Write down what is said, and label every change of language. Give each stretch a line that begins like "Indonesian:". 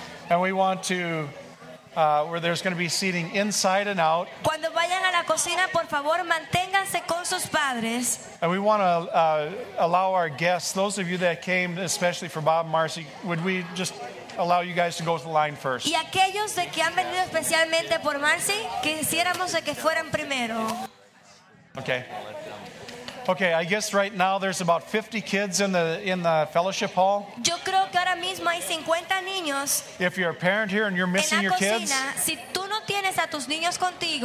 English: And we want to where there's going to be seating inside and out.
Spanish: Cuando vayan a la cocina, por favor, manténganse con sus padres.
English: And we want to allow our guests, those of you that came, especially for Bob and Marcy, would we just allow you guys to go to the line first?
Spanish: Y aquellos de que han venido especialmente por Marcy, quisiéramos de que fueran primero.
English: Okay. Okay, I guess right now there's about 50 kids in the fellowship hall.
Spanish: Yo creo que ahora mismo hay 50 niños.
English: If you're a parent here and you're missing your kids,
Spanish: si tú no tienes a tus niños contigo,